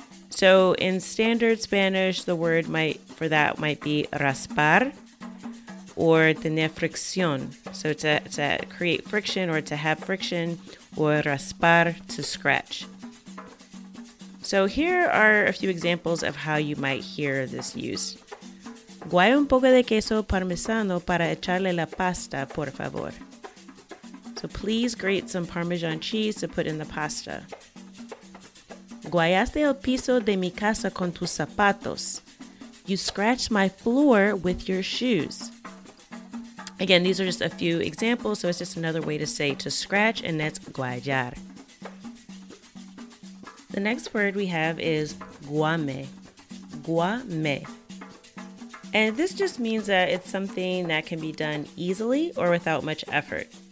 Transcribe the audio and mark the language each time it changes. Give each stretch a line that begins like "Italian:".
English: So in standard Spanish, the word might be raspar or tener fricción. So to create friction or to have friction, or raspar, to scratch. So here are a few examples of how you might hear this use.
Spanish: Guaya un poco de queso parmesano para echarle la pasta, por favor.
English: So please grate some Parmesan cheese to put in the pasta.
Spanish: Guayaste el piso de mi casa con tus zapatos.
English: You scratched my floor with your shoes. Again, these are just a few examples, so it's just another way to say to scratch, and that's guayar. The next word we have is guame. Guame. And this just means that it's something that can be done easily or without much effort.